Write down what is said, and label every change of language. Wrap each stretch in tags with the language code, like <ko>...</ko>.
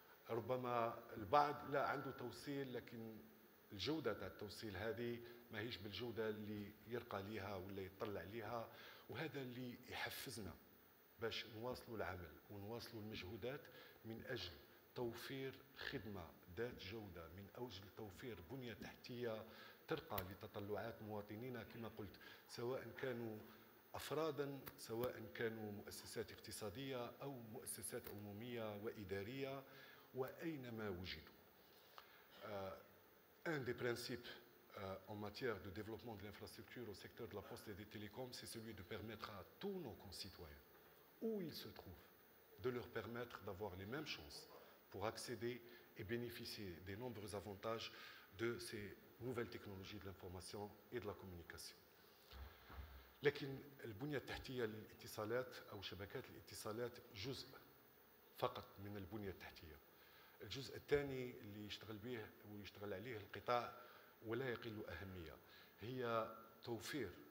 <ar>ربما البعض لا عنده توصيل، لكن الجودة تاع التوصيل هذه ما هيش بالجودة اللي يرقى ليها ولا يطلع ليها، وهذا اللي يحفزنا باش نواصلوا العمل ونواصلوا المجهودات من أجل توفير خدمة ذات جودة، من أجل توفير بنية تحتية ترقى لتطلعات مواطنينا، كما قلت، سواء كانوا أفراداً، سواء كانوا مؤسسات اقتصادية أو مؤسسات عمومية وإدارية، وأينما وجدوا.</ar> <fr>Un des principes en matière de développement de l'infrastructure au secteur de la poste et des télécoms, c'est celui de permettre à tous nos concitoyens, où ils se trouvent, de leur permettre d'avoir les mêmes chances pour accéder et bénéficier des nombreux avantages de ces nouvelles technologies de l'information et de la communication.</fr> <ar>لكن البنية التحتية للاتصالات أو شبكات الاتصالات جزء فقط من البنية التحتية. الجزء الثاني اللي يشتغل به ويشتغل عليه القطاع ولا يقل أهمية هي توفير</ar>